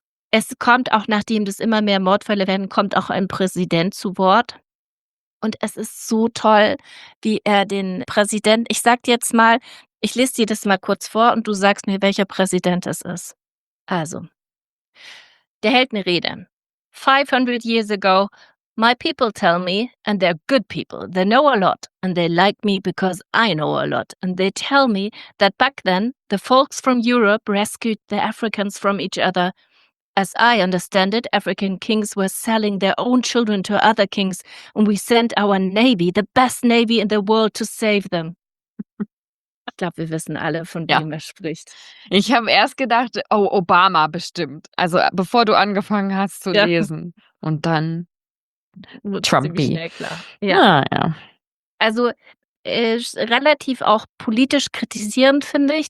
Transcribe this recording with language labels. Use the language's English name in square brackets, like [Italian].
[German] Es kommt auch, nachdem das immer mehr Mordfälle werden, kommt auch ein Präsident zu Wort. Und es ist so toll, wie er den Präsidenten, ich sag dir jetzt mal, ich lese dir das mal kurz vor und du sagst mir, welcher Präsident es ist. Also, der hält eine Rede. [English] 500 years ago, my people tell me, and they're good people, they know a lot, and they like me because I know a lot, and they tell me that back then, the folks from Europe rescued the Africans from each other. As I understand it, African kings were selling their own children to other kings, and we sent our navy, the best navy in the world, to save them. [German] Ich glaube, wir wissen alle, von wem er spricht. Ich habe erst gedacht, oh, Obama bestimmt. Also bevor du angefangen hast zu lesen. Und dann Trumpy. Ja. Also relativ auch politisch kritisierend, finde ich.